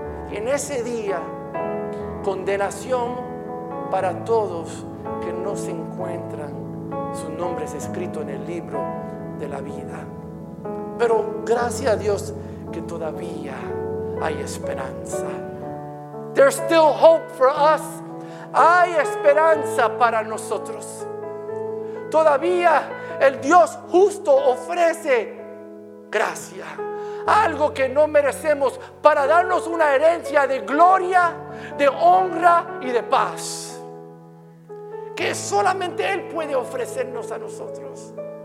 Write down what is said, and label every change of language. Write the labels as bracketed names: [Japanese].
[Spanish] Y en ese día, condenación para todos que no se encuentran su nombre es escrito en el libro de la vida. Pero gracias a Dios que todavía hay esperanza. [English] There's still hope for us. [Spanish] Hay esperanza para nosotros. Todavía el Dios justo ofrece gracia, algo que no merecemos, para darnos una herencia de gloria, de honra y de paz, que solamente Él puede ofrecernos a nosotros.